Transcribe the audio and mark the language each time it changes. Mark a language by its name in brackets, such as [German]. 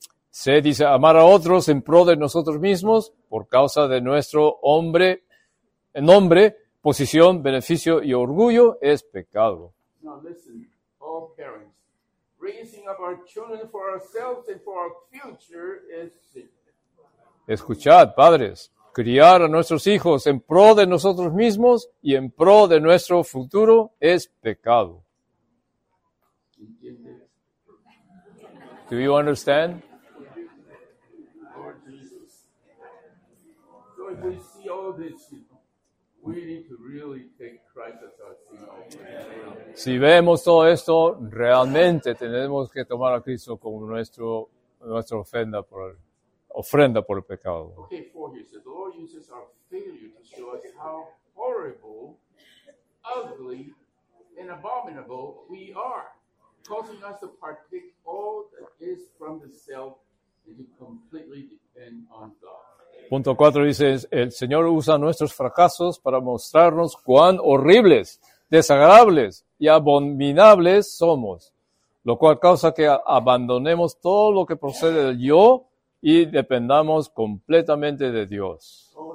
[Spanish] Se dice amar a otros en pro de nosotros mismos por causa de nuestro hombre, nombre, posición, beneficio y orgullo es pecado. [English] Now listen, all parents, raising up our children for ourselves and for our future is sin. [Spanish] Escuchad, padres. Criar a nuestros hijos en pro de nosotros mismos y en pro de nuestro futuro es pecado. [English] Do you understand? Lord Jesus. So if we see all this, we need to really take Christ as our Savior. [Spanish] Si vemos todo esto, realmente tenemos que tomar a Cristo como nuestra ofrenda por ofrenda por el pecado. [English] Okay, 4 here. So the Lord uses our failure to show us how horrible, ugly, and abominable we are, causing us to partake all that is from the self and to completely depend on God. [Spanish] Punto 4 dice, el Señor usa nuestros fracasos para mostrarnos cuán horribles, desagradables y abominables somos, lo cual causa que abandonemos todo lo que procede del yo y dependamos completamente de Dios.